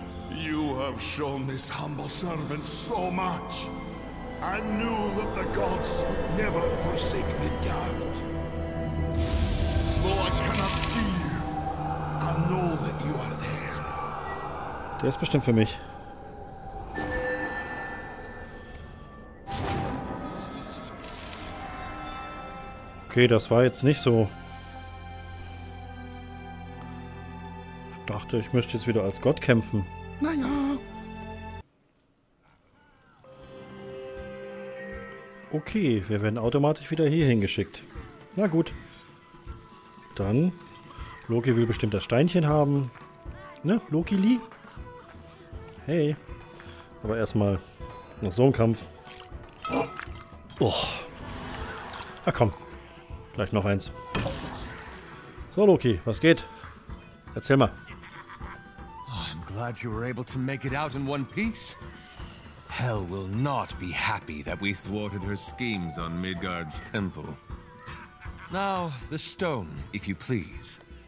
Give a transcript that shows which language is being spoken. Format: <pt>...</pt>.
<en>You have shown this humble servant so much. I knew that the gods never forsake the guard. Though I cannot see you, I know that you are there.</en> <de>Der ist bestimmt für mich. Okay, das war jetzt nicht so. Ich dachte, ich müsste jetzt wieder als Gott kämpfen. Naja. Okay, wir werden automatisch wieder hier hingeschickt. Na gut. Dann, Loki will bestimmt das Steinchen haben. Ne, Loki Lee? Hey, aber erstmal noch so ein Kampf. Oh. Ach komm, gleich noch eins. So Loki, was geht? Erzähl mal.</de> <en>I'm glad you were able to make it out in one piece. Hell will not be happy that we thwarted her schemes on Midgard's temple. Now the stone, if you please.</en>